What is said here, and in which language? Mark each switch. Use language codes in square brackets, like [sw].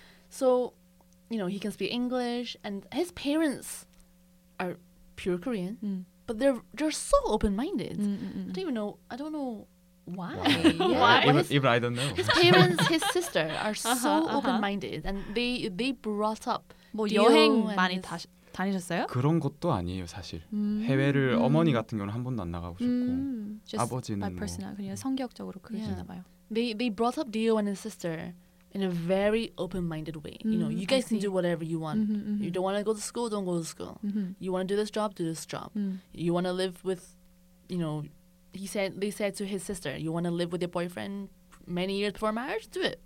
[en] So, you know, he can speak English, and his parents are pure Korean, but they're so open-minded. I don't know why. Even I don't know. His parents, his sister, are so open-minded, and they brought up. [ko] 뭐 여행 많이 다시 다니셨어요? 그런 것도 아니에요, 사실. 해외를 어머니 같은 경우는 한 번도 안 나가고 싶고 아버지는 [en] by personal, [ko] 그냥 성격적으로 그러시나 봐요. [en] They brought up Dio and his sister in a very open-minded way. You know, you guys can do whatever you want. You don't want to go to school, don't go to school. You want to do this job, do this job. You want to live with, you know, they said to his sister, you want to live with your boyfriend many years before marriage, do it.